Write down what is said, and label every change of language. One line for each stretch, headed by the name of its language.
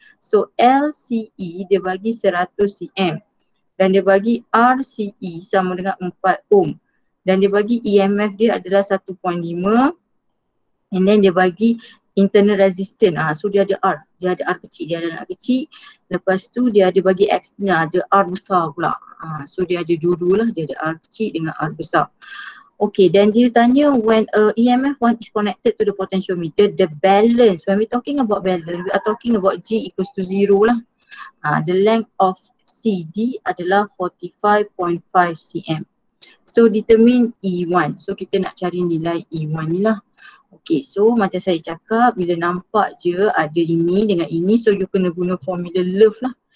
Malay: So LCE dia bagi 100 cm, dan dia bagi RCE sama dengan 4 ohm, dan dia bagi EMF dia adalah 1.5,
English: and then
Malay: dia bagi internal resistance. So dia ada R, dia ada R kecil, dia ada anak kecil. Lepas tu dia ada bagi X, dia ada R besar pula. So dia ada dua-dua lah, dia ada R kecil dengan R besar.
English: Okay, then
Malay: dia tanya
English: when EMF 1 is connected to the potentiometer, the balance, when we talking about balance, we are talking about G equals to 0 lah. The length of CD
Malay: adalah
English: 45.5 cm. So, determine E1.
Malay: So, kita nak cari nilai E1 ni lah. Okay, so macam saya cakap, bila nampak je ada ini dengan ini, so you kena guna formula Love lah.